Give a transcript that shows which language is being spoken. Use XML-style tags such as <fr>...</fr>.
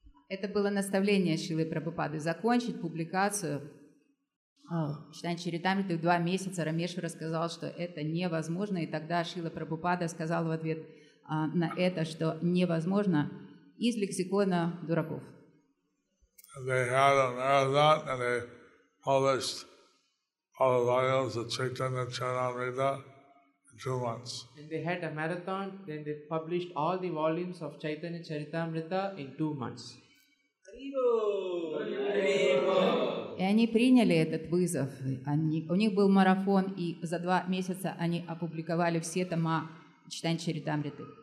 <ru>Это было наставление Шрилы Прабхупады закончить публикацию Читания Чаритамриты в 2 месяца. Рамешвара сказал, что это невозможно. И тогда Шрила Прабхупада сказал в ответ на это, что невозможно. Из лексикона дураков.</ru> <en>They had a marathon and they published all the volumes of Chaitanya Charitamrita in 2 months. And they had a marathon, then they published all the volumes of Chaitanya Charitamrita in 2 months.</en> <ru>И они приняли этот вызов. У них был марафон, и за 2 месяца они опубликовали все тома Чайтанья Чаритамриты.</ru>